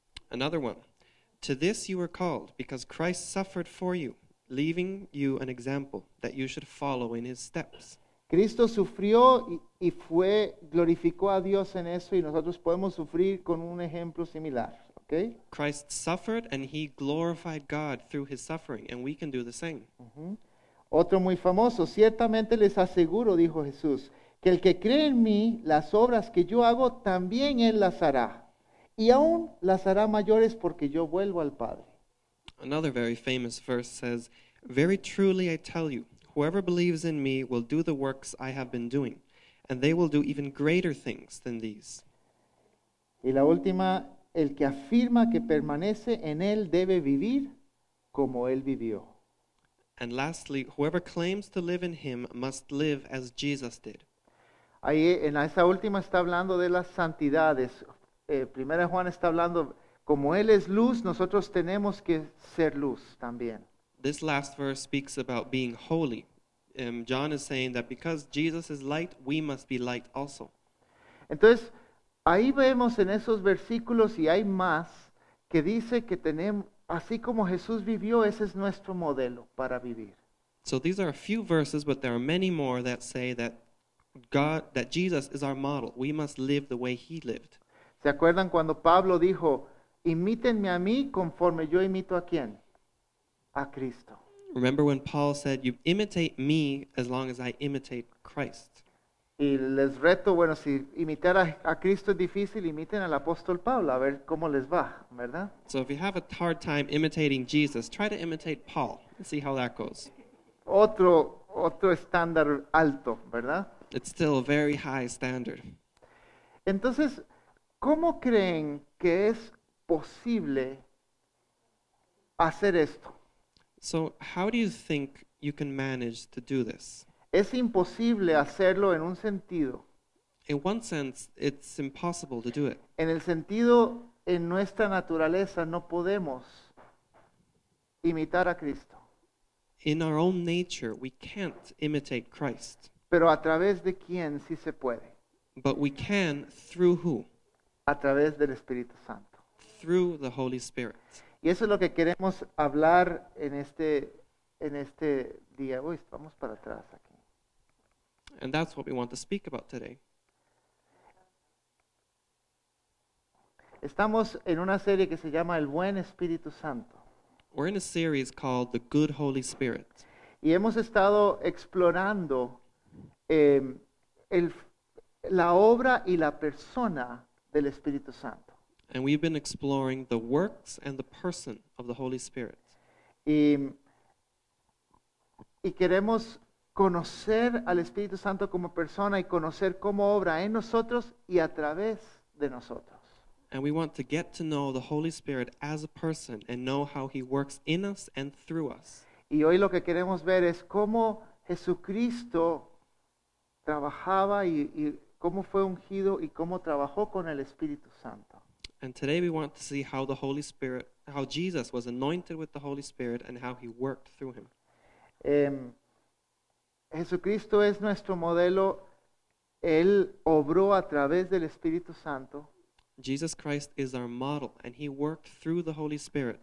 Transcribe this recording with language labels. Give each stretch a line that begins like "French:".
English: Another one, to this you were called, because Christ suffered for you, leaving you an example that you should follow in his steps.
Spanish: Cristo sufrió y fue, glorificó a Dios en eso, y nosotros podemos sufrir con un ejemplo similar, ¿okay?
English: Christ suffered and he glorified God through his suffering, and we can do the same.
Spanish: Otro muy famoso: ciertamente les aseguro, dijo Jesús, que el que cree en mí, las obras que yo hago, también él las hará. Y aún las hará mayores porque yo vuelvo al Padre.
English: Another very famous verse says, "Very truly I tell you, whoever believes in me will do the works I have been doing, and they will do even greater things than these."
Spanish: Y la última: el que afirma que permanece en él debe vivir como él vivió.
English: And lastly, whoever claims to live in him must live as Jesus did.
Spanish: Ahí en esa última está hablando de las santidades. Primera Juan está hablando, como él es luz, nosotros tenemos que ser luz también.
English: This last verse speaks about being holy. John is saying that because Jesus is light, we must be light also.
Spanish: Entonces, ahí vemos en esos versículos, y hay más, que dice que tenemos, así como Jesús vivió, ese es nuestro modelo para vivir.
English: So these are a few verses, but there are many more that say that God, that Jesus is our model. We must live the way he lived.
Spanish: ¿Se acuerdan cuando Pablo dijo, imítenme a mí conforme yo imito a quién? A Cristo.
English: Remember when Paul said, you imitate me as long as I imitate Christ.
Spanish: Y les reto, bueno, si imitar a Cristo es difícil, imiten al apóstol Pablo, a ver cómo les va, ¿verdad?
English: So if you have a hard time imitating Jesus, try to imitate Paul and see how that goes.
Spanish: Otro estándar alto, ¿verdad?
English: It's still a very high standard.
Spanish: Entonces, ¿cómo creen que es posible hacer esto?
English: So how do you think you can manage to do this?
Spanish: Es imposible hacerlo en un sentido.
English: In one sense, it's impossible to do it.
Spanish: En el sentido, en nuestra naturaleza no podemos imitar a Cristo.
English: In our own nature, we can't imitate Christ.
Spanish: Pero a través de quién sí se puede.
English: But we can through who?
Spanish: A través del Espíritu Santo.
English: Through the Holy Spirit.
Spanish: Y eso es lo que queremos hablar en este día. Uy, vamos para atrás aquí.
English: And that's what we want to speak about today.
Spanish: Estamos en una serie que se llama El Buen Espíritu Santo.
English: We're in a series called The Good Holy Spirit.
Spanish: Y hemos estado explorando la obra y la persona del Espíritu Santo.
English: And we've been exploring the works and the person of the Holy Spirit.
Spanish: Y queremos conocer al Espíritu Santo como persona y conocer cómo obra en nosotros y a través de nosotros.
English: And we want to get to know the Holy Spirit as a person and know how he works in us and through us.
Spanish: Y hoy lo que queremos ver es cómo Jesucristo trabajaba y cómo fue ungido y cómo trabajó con el Espíritu Santo.
English: And today we want to see how the Holy Spirit, how Jesus was anointed with the Holy Spirit and how he worked through him.
Spanish: Jesucristo es nuestro modelo. Él obró a través del Espíritu Santo.
English: Jesus Christ is our model and he worked through the Holy Spirit.